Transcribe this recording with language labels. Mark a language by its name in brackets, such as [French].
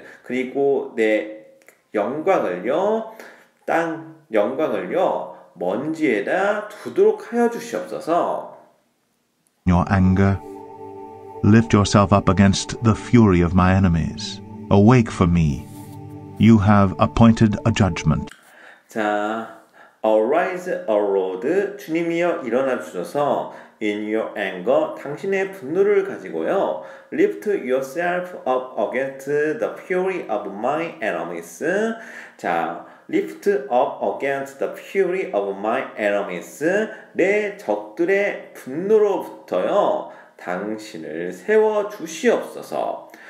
[Korean] 그리고 내 영광을요, 땅 영광을요, 먼지에다 두도록 하여 주시옵소서. [English] Your anger, lift yourself up against the fury of my enemies. Awake for me. You have appointed a judgment. 자, arise, O Lord. [Korean] 주님이여 일어나 주셔서. [English] In your anger, [Korean] 당신의 분노를 가지고요. [English] Lift yourself up against the fury of my enemies. 자, lift up against the fury of my enemies. [Korean] 내 적들의 분노로부터요. 당신을 세워주시옵소서.